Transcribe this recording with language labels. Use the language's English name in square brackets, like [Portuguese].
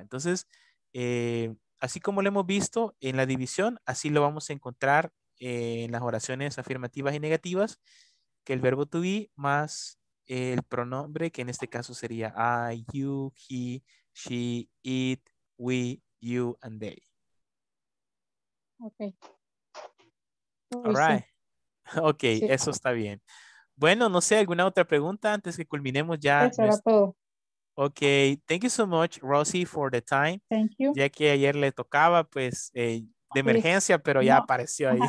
[Spanish] Entonces, así como lo hemos visto en la división, así lo vamos a encontrar en las oraciones afirmativas y negativas, que el verbo to be más el pronombre, que en este caso sería [English] I, you, he, she, it, we, you, and they. Okay. All right. [Spanish] Sí. Ok, sí. Eso está bien. Bueno, no sé, ¿alguna otra pregunta antes que culminemos ya? Eso era todo. [English] Ok, thank you so much, Rosie, for the time. Thank you. [Spanish] Ya que ayer le tocaba, pues, de emergencia, pero ya apareció ahí.